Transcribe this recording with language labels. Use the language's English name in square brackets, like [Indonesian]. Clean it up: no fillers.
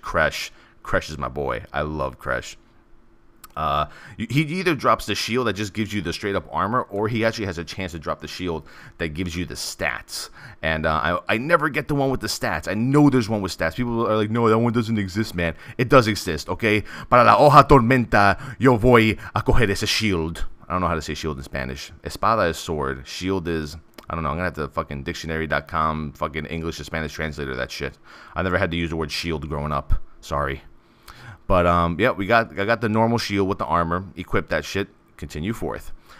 [English] Kresh is my boy. I love Kresh. He either drops the shield that just gives you the straight up armor, or he actually has a chance to drop the shield that gives you the stats. And I never get the one with the stats. I know there's one with stats. People are like, no, that one doesn't exist, man. It does exist, okay? [Spanish] Para la hoja tormenta, yo voy a coger ese shield. [English] I don't know how to say shield in Spanish. Espada is sword. Shield is, I don't know, I'm gonna have to fucking dictionary.com, fucking English to Spanish translator that shit. I never had to use the word shield growing up. Sorry. But, yeah, I got the normal shield with the armor. Equip that shit. Continue forth.